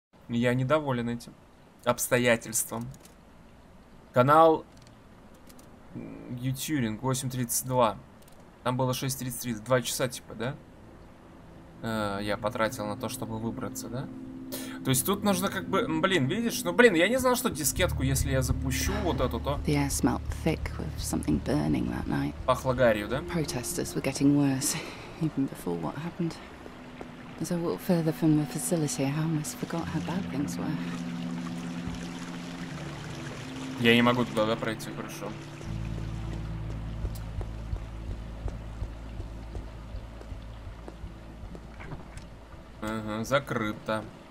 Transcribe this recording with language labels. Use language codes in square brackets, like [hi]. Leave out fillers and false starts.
[ru] Я недоволен этим обстоятельством. Канал Ютюринг, 8.32. Там было 6.33, 2 часа типа, да? Я потратил на то, чтобы выбраться, да? То есть тут нужно как бы, блин, видишь, ну блин, я не знал, что дискетку, если я запущу вот эту, то... [en] The air smelt thick with something burning that night. [ru] Пахло гарью, да? [en] Protesters were getting worse, even before what happened. As I walked further from the facility, I almost forgot how bad things were. [ru] Я не могу туда, да, пройти, хорошо. Закрыто.